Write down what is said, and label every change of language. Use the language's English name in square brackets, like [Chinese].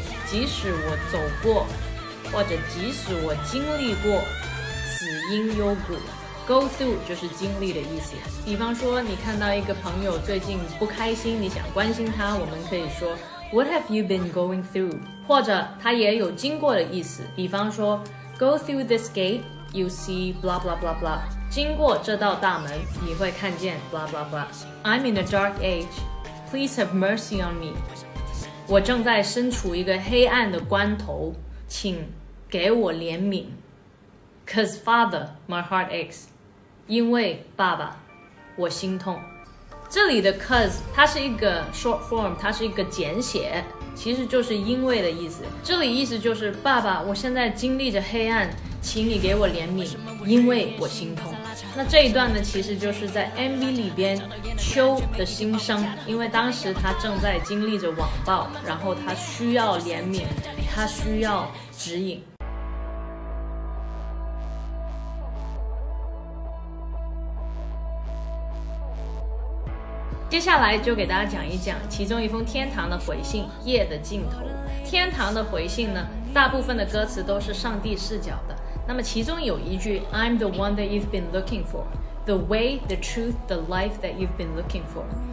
[Chinese] 即使我走过，或者即使我经历过死因幽谷。 Go through 就是经历的意思。比方说你看到一个朋友最近不开心，你想关心他，我们可以说 [English] What have you been going through? [Chinese] 或者他也有经过的意思。比方说 [English] Go through this gate, you see blah blah blah blah. [Chinese] 经过这道大门，你会看见 blah blah blah. [English] I'm in a dark age, please have mercy on me. [Chinese] 我正在身处一个黑暗的关头，请给我怜悯。 [English] Cause father, my heart aches. [Chinese] 因为爸爸，我心痛。这里的 cause 它是一个 short form， 它是一个简写，其实就是因为的意思。这里意思就是爸爸，我现在经历着黑暗，请你给我怜悯，因为我心痛。那这一段呢，其实就是在 MV 里边秋的心声，因为当时他正在经历着网暴，然后他需要怜悯，他需要指引。接下来就给大家讲一讲其中一封天堂的回信，夜的尽头。天堂的回信呢，大部分的歌词都是上帝视角的。那么其中有一句 [English] I'm the one that you've been looking for, The way, the truth, the life that you've been looking for.